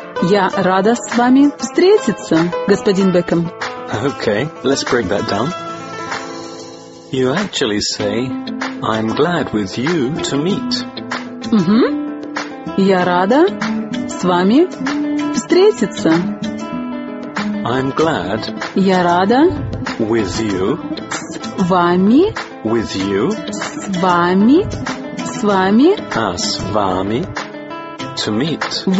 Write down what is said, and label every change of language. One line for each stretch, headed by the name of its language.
Russian: Я рада с вами встретиться, господин Бекхэм.
English: Okay, let's break that down. You actually say, I'm glad with you to meet.
Russian: Я рада с вами встретиться.
English: I'm glad.
Russian: Я рада.
English: With you.
Russian: С вами.
English: With you.
Russian: С вами. С вами. А, с вами.
English: To meet.